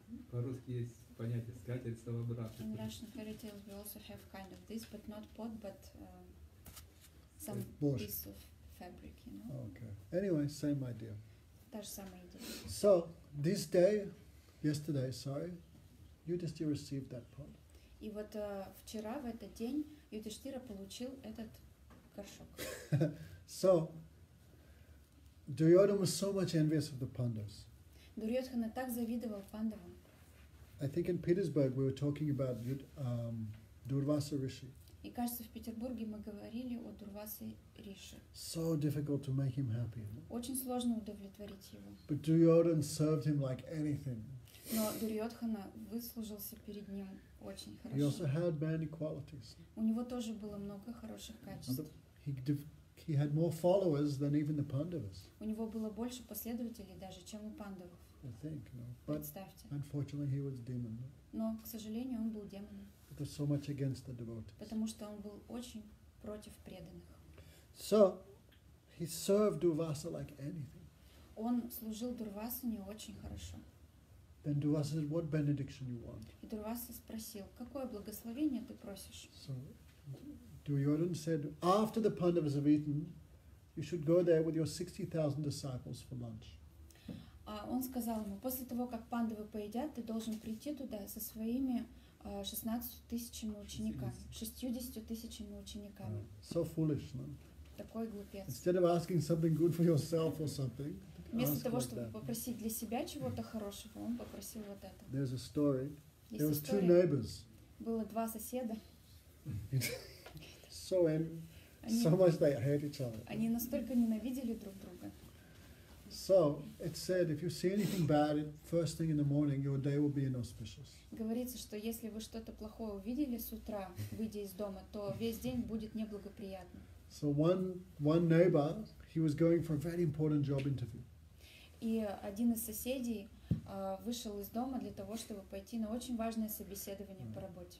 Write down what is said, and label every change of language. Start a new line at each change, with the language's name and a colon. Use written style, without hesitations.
Russian: По-русски есть понятие скатерть совобрата.
English: In Russian fairy tales we also have kind of this, but not pot, but some Borscht. Piece of fabric, you know. Okay. Anyway, same idea.
Russian: Та же самая идея.
English: So this day, yesterday, sorry, you just received that pot.
Russian: И вот вчера в этот день Юдхиштхира получил этот горшок.
English: So Duryodhana was so much envious of the Pandavas.
Russian: Дурьотхана так завидовал Пандавам.
English: I think in Petersburg we were talking about Дурваса Риши.
Russian: И кажется, в Петербурге мы говорили о Дурвасе Риши.
English: So difficult to make him happy.
Russian: Очень сложно удовлетворить его.
English: But Duryodhana served him like anything.
Russian: Но Дурьотхана выслужился перед ним очень хорошо.
English: He also had many qualities.
Russian: У него тоже было много хороших качеств.
English: He had more followers than even the Pandavas.
Russian: У него было больше последователей даже, чем у Пандавов.
English: I think, no.
Russian: Представьте.
English: But unfortunately, he was demon.
Russian: Но, к сожалению, он был демоном.
English: It was so much against the devotees.
Russian: Потому что он был очень против преданных.
English: So, he served Durvasa like anything.
Russian: Он служил Дурвасе не очень хорошо.
English: Then Durvasa said, "What benediction you want?"
Russian: И Дурваса спросил, какое благословение ты просишь?
English: So, Duryodhana said, after the Pandavas have eaten, you should go there with your 60,000 disciples for lunch.
Russian: Он сказал ему, после того, как Пандавы поедят, ты должен прийти туда со своими 16,000 учениками, 60,000 учениками.
English: So foolish, no?
Russian: Такой глупец.
English: Instead of asking something good for yourself or something,
Russian: вместо того,
English: like
Russian: чтобы
English: that.
Russian: Попросить для себя чего-то хорошего, он попросил вот это.
English: There's a story.
Russian: Есть
English: There was
Russian: история.
English: Two neighbors.
Russian: Было два соседа.
English: So so much they hate each other.
Russian: Они настолько ненавидели друг друга.
English: So it said, if you see anything bad first thing in the morning, your day will be inauspicious.
Russian: Говорится, что если вы что-то плохое увидели с утра, выйдя из дома, то весь день будет неблагоприятно.
English: So one neighbor, he was going for a very important job interview.
Russian: И один из соседей вышел из дома для того, чтобы пойти на очень важное собеседование по работе.